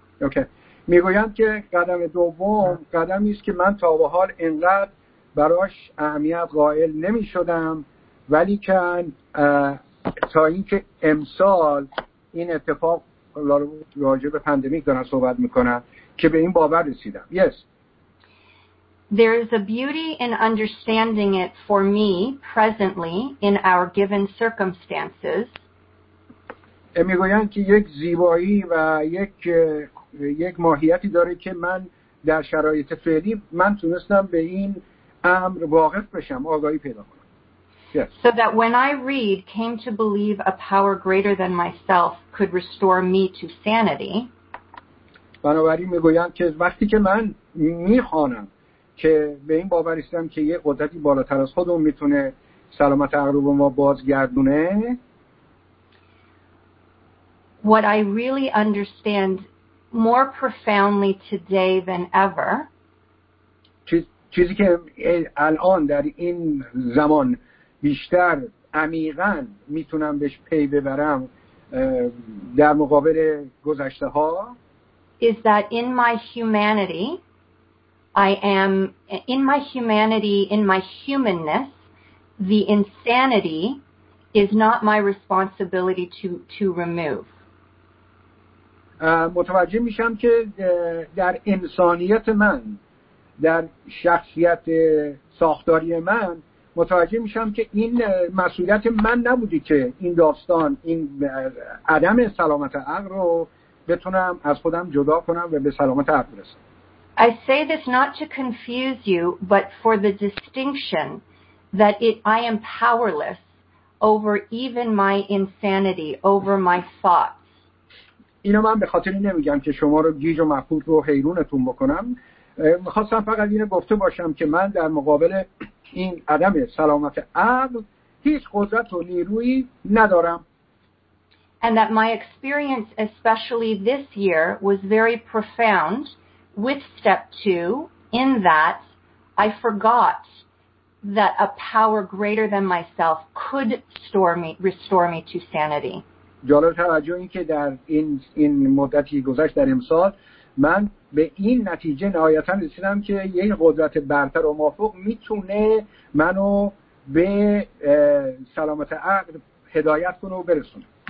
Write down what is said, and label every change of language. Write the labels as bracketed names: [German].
[English] Okay. [Persian] میگویم که قدم دوم قدمی است که من تا به حال اینقدر براش اهمیت قائل نمی‌شدم، ولی کن تا اینکه امسال این اتفاق راجع به پندمیک دارن صحبت می‌کنن که به این باور رسیدم. [English] Yes. There is a beauty in understanding it for me presently in our given circumstances. [Persian] میگویند که یک زیبایی و یک ماهیتی داره که من در شرایط فعلی من تونستم به این امر واقف بشم، آگاهی پیدا کنم. [English] Yes. So that when I read, came to believe a power greater than myself could restore me to sanity. [Persian] بنابراین میگویند که وقتی که من میخوانم که به این باوریستم که یک قدرتی بالاتر از خودم میتونه سلامت عقلم رو بازگردونه. [English] What I really understand more profoundly today than ever. [Persian] چیزی که الان در این زمان بیشتر عمیقاً میتونم بهش پی ببرم در مقابل گذشته ها. [English] Is that in my humanity, I am in my humanity, in my humanness, the insanity is not my responsibility to remove. [Persian] متوجه میشم که در انسانیت من، در شخصیت ساختاری من، متوجه میشم که این مسئولیت من نبوده که این داستان، این عدم سلامت عقل رو بتونم از خودم جدا کنم و به سلامت عقل برسم. [English] I say this not to confuse you, but for the distinction that I am powerless over even my insanity, over my thoughts. [Persian] اینو من به خاطر این نمیگم که شما رو گیج و مفقود رو حیرونتون بکنم. میخواستم فقط اینو گفته باشم که من در مقابل این عدم سلامت عقل هیچ قدرت و نیرویی ندارم. [English] And that my experience, especially this year, was very profound with step two, in that I forgot that a power greater than myself could restore me to sanity. [Persian] جالب توجه این که در این مدتی گذشت در امسال من به این نتیجه نهایتاً رسیدم که یه قدرت برتر و مافوق میتونه منو به سلامت عقل هدایت کنه و برسونه.